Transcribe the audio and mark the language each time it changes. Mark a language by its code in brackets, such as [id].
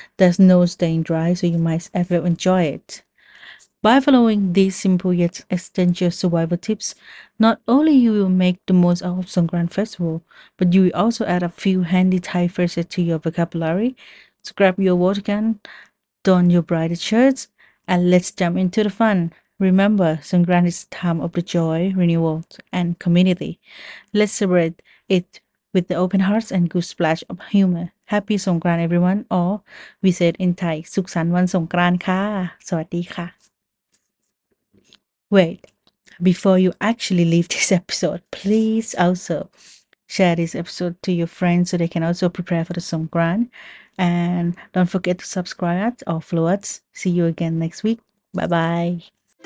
[en] There's no staying dry, so you might ever enjoy it. By following these simple yet essential survival tips, not only you will make the most out of Songkran festival, but you will also add a few handy Thai phrases to your vocabulary. So grab your water gun, don your brightest shirts, and let's jump into the fun. Remember, Songkran is time of the joy, renewal, and community. Let's celebrate it with the open hearts and good splash of humor. Happy Songkran, everyone! Or we say it in Thai, [th] สุขสันต์วันสงกรานต์ค่ะ สวัสดีค่ะ. [en] Wait, before you actually leave this episode, please also share this episode to your friends so they can also prepare for the Songkran. And don't forget to subscribe or follow us. See you again next week. Bye bye.